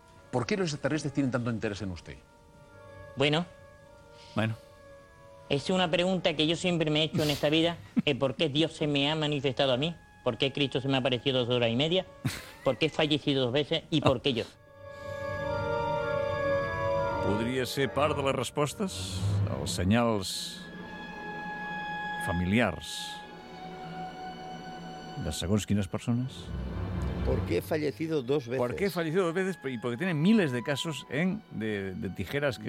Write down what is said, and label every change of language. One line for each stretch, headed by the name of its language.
Spanish: ¿Por qué los extraterrestres tienen tanto interés en usted? Bueno. Es una pregunta que yo siempre me he hecho en esta vida, es por qué Dios se me ha manifestado a mí, por qué Cristo se me ha aparecido 2 horas y media, por qué he fallecido 2 veces y por qué yo.
Catalan: Podria ser part de les respostes, els senyals familiars de segons quines persones...
Spanish: ¿Por qué he fallecido 2 veces? ¿Por qué he fallecido 2 veces? Y porque tiene miles de casos de tijeras que